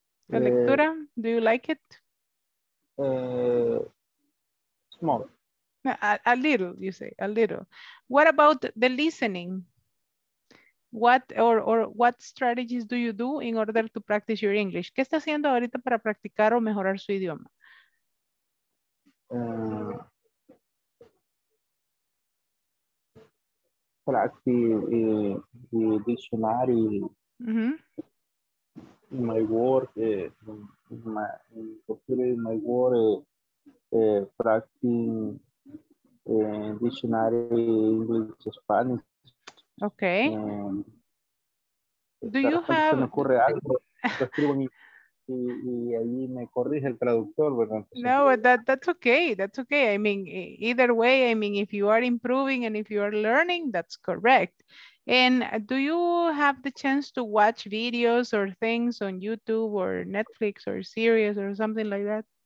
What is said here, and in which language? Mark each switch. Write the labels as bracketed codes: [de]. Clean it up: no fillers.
[es] La lectura, [en] do you like it? Small. A little, you say, a little. What about the listening? What or what strategies do you do in order to practice your English? [es] ¿Qué está haciendo ahorita para practicar o mejorar su idioma? [en] Practice the dictionary. Mm-hmm. My work, my work, practice dictionary English Spanish. Okay. Do you have? [es] Me ocurre algo, lo escribo y ahí me corrige el traductor, ¿verdad? [en] No, but that's okay. That's okay. I mean, either way, I mean, if you are improving and if you are learning, that's correct. And do you have the chance to watch videos or things on YouTube or Netflix or series or something like that?